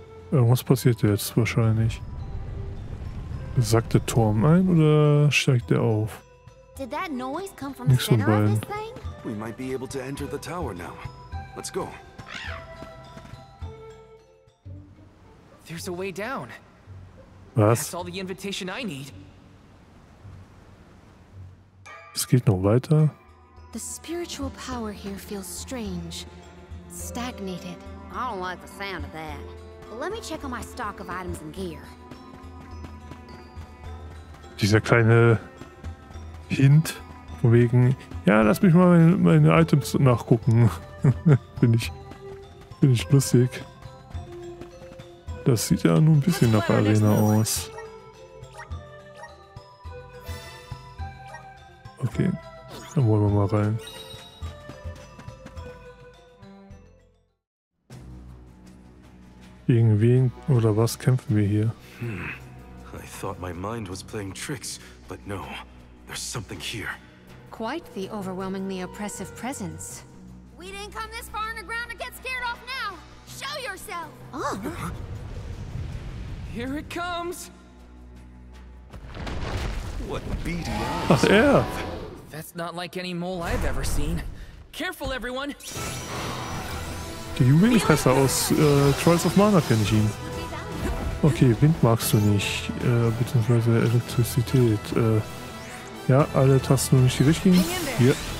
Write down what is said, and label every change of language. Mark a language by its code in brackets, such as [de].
[de] Irgendwas passiert jetzt wahrscheinlich. Sackt der Turm ein oder steigt er auf? [en] Did that noise come from the center of this thing? We might be able to enter the tower now. Let's go. There's a way down. [de] Was? [en] That's all the invitation I need. [de] Es geht noch weiter. [en] The spiritual power here feels strange. Stagnated. I don't like the sound of that. But let me check on my stock of items and gear. [de] Dieser kleine Hint, von wegen, ja, lass mich mal meine Items nachgucken. bin ich lustig. Das sieht ja nur ein bisschen nach Arena aus. Dann wollen wir mal rein. Gegen wen oder was kämpfen wir hier? [en] I thought my mind was playing tricks, but no. There's something here. Quite the overwhelmingly oppressive presence. We didn't come this far underground to get scared off now. Show yourself. Oh. Here it comes. What beady eyes. Ach, yeah. That's not like any mole I've ever seen. Careful, everyone. [de] Die Jugendfresser aus Trials of Mana kenne ich ihn. Okay, Wind magst du nicht, beziehungsweise Elektrizität. Ja, alle Tasten nicht die richtigen. Hier.